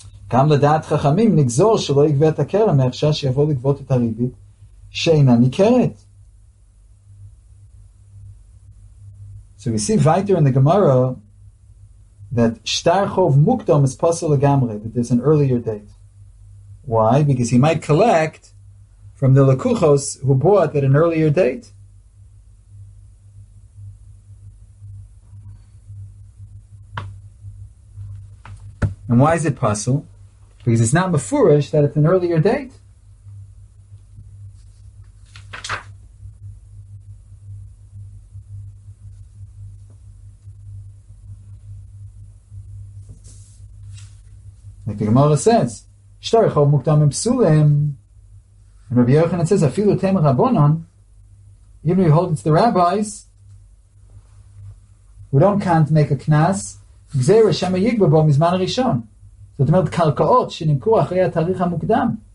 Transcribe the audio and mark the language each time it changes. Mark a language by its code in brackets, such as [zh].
[he] גם לדעת חכמים נגזור שלא יגבה את הקרן מהחשש שיבוא לגבות את הריבית שאינה ניכרת. [en] So we see weiter in the Gemara that [he] שטר חוב מוקדם [en] is possible לגמרי, that there's an earlier date. Why? Because he might collect from the lekuchos who bought at an earlier date. And why is it possible? Because it's not mafurish that it's an earlier date. Like the Gemara says, [he] "Shtar yichov muktam impsulim." [en] And Rabbi Yochanan says, [he] "Afilu tem rabbonon." [en] Even if you hold it's the rabbis, we don't can't make a knas. [he] Gzeira shema yigba bo mizman rishon. זאת אומרת, קרקעות שנמכו אחרי התאריך המוקדם.